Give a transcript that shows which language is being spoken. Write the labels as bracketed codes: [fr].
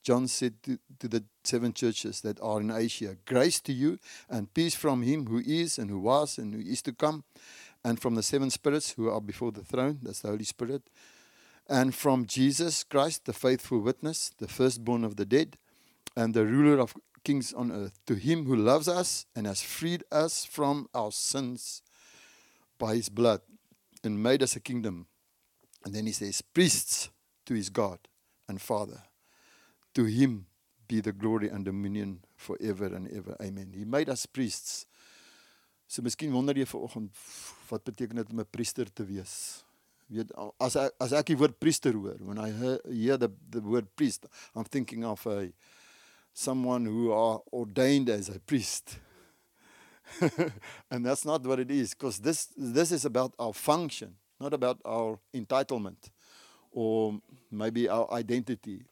[en] John said to the seven churches that are in Asia, grace to you and peace from Him who is and who was and who is to come, and from the seven spirits who are before the throne, that's the Holy Spirit, and from Jesus Christ, the faithful witness, the firstborn of the dead, and the ruler of kings on earth, to Him who loves us and has freed us from our sins by His blood and made us a kingdom. And then he says, priests to His God and Father, to Him be the glory and dominion forever and ever. Amen. He made us priests. [af] So, miskien wonder jy vanoggend, wat beteken dit om 'n priester te wees? Weet, as ek die woord priester hoor, [en] when I hear the word priest, I'm thinking of someone who are ordained as a priest. And that's not what it is, because this is about our function. Not about our entitlement or maybe our identity.